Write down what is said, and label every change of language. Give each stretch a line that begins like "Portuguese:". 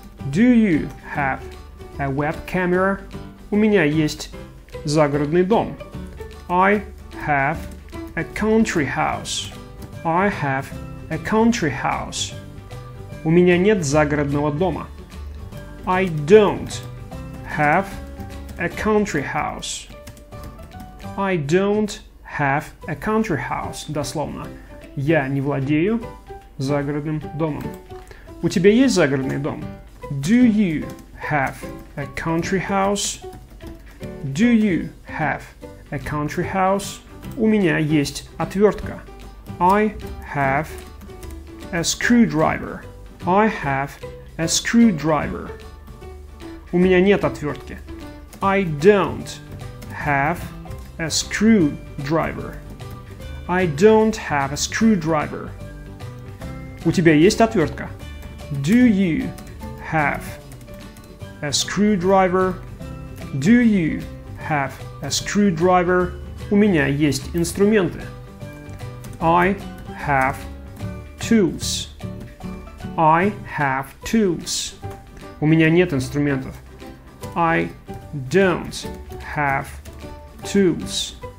English: Do you have a web camera?
Russian: У меня есть загородный дом.
English: I have a country house. I have a country house.
Russian: У меня нет загородного дома.
English: I don't have a country house. I don't have a country house.
Russian: Дословно. Я не владею загородным домом. У тебя есть загородный дом?
English: Do you have a country house? Do you have a country house?
Russian: У меня есть отвертка.
English: I have a screwdriver. I have a screwdriver.
Russian: У меня нет отвертки.
English: I don't have a screwdriver. I don't have a screwdriver.
Russian: У тебя есть отвертка?
English: Do you have a screwdriver? Do you have a screwdriver?
Russian: У меня есть инструменты.
English: I have tools. I have tools.
Russian: У меня нет инструментов.
English: I don't have tools.